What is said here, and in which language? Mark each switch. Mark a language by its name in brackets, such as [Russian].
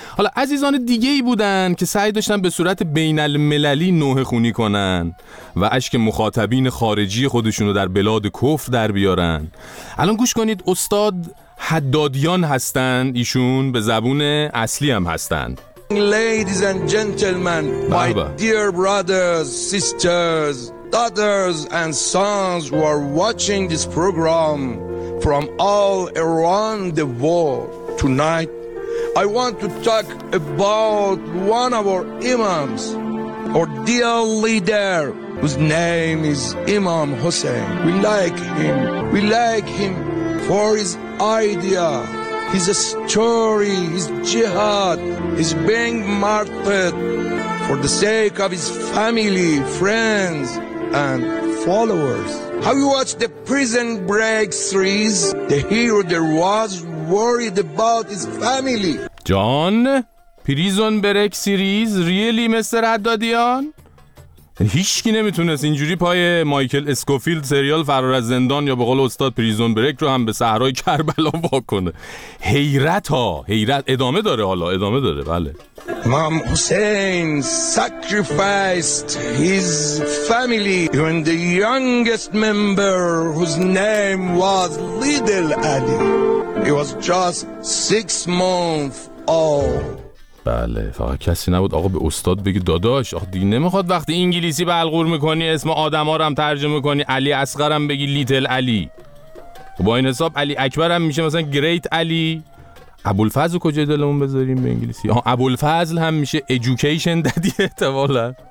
[Persian] حالا عزیزان دیگه ای بودن که سعی داشتن به صورت بین المللی نوه خونی کنن و اشک مخاطبین خارجی خودشونو در بلاد کفر در بیارن. الان گوش کنید، استاد حدادیان هستند، ایشون به زبون اصلی هم هستند. [English] Ladies and gentlemen, my dear brothers, sisters, daughters and sons who are watching this program from all around the world tonight, I want to talk about one of our imams, our dear leader, whose name is Imam Hussein. We like him for his idea, his story, his jihad, his being martyred for the sake of his family, friends, and followers. Have you watched the Prison Break series? The hero there was worried about his family. John, Prison Break series, really, Mr. Haddadian? [Persian] هیچکی نمیتونست اینجوری پای مایکل اسکوفیلد سریال فرار از زندان یا به قول استاد پریزون بریک رو هم به صحرای کربلا وا کنه. حیرت ادامه داره. حالا ادامه داره. بله، [English] امام حسین sacrificed his family even the youngest member whose name was Little Ali. He was just 6 months old. [Persian] بله، فقط کسی نبود آقا به استاد بگی داداش آخ دیگه نمیخواد وقتی انگلیسی بلغور میکنی اسم آدم ها رو هم ترجمه کنی، علی اصغر هم بگی لیتل علی، با این حساب علی اکبر هم میشه مثلا گریت علی، ابوالفضل کجای دلمون بذاریم به انگلیسی؟ آه ابوالفضل هم میشه ایژوکیشن دادی احتمالا.